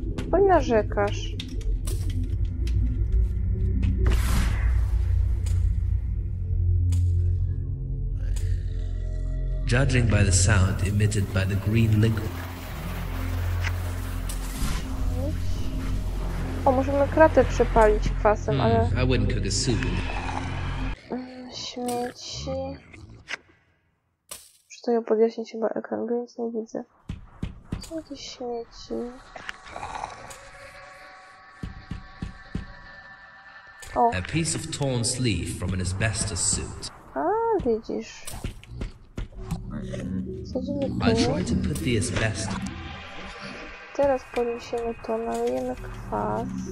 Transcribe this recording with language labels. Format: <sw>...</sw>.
<pl>Bo narzekasz.</pl> <en>Judging by the sound emitted by the green liquid.</en> <pl>O, możemy kratę przepalić kwasem, ale...</pl> <en>I wouldn't cook a soup.</en> <pl>Śmieci... To ja podjaśnię chyba ekran, bo nic nie widzę. Są jakieś śmieci. O.</pl> <en>A piece of torn sleeve from an asbestos suit.</en> <pl>A, widzisz.</pl> <en>I'll try to put the asbestos.</en> <pl>Teraz podniesiemy to, nalejemy kwas.</pl>